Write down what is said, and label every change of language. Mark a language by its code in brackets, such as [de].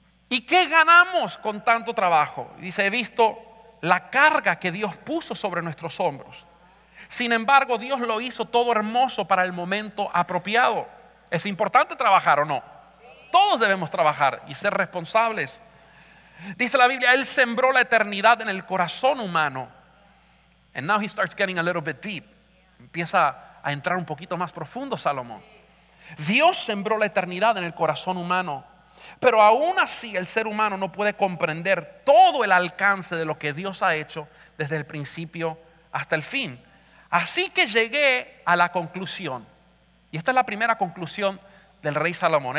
[es] ¿Y qué ganamos con tanto trabajo? Dice, he visto la carga que Dios puso sobre nuestros hombros. Sin embargo, Dios lo hizo todo hermoso para el momento apropiado. ¿Es importante trabajar o no? Todos debemos trabajar y ser responsables. Dice la Biblia, Él sembró la eternidad en el corazón humano. [en] And now he starts getting a little bit deep. [es] Empieza a entrar un poquito más profundo Salomón. Dios sembró la eternidad en el corazón humano. Pero aún así el ser humano no puede comprender todo el alcance de lo que Dios ha hecho desde el principio hasta el fin. Así que llegué a la conclusión, y esta es la primera conclusión del rey Salomón.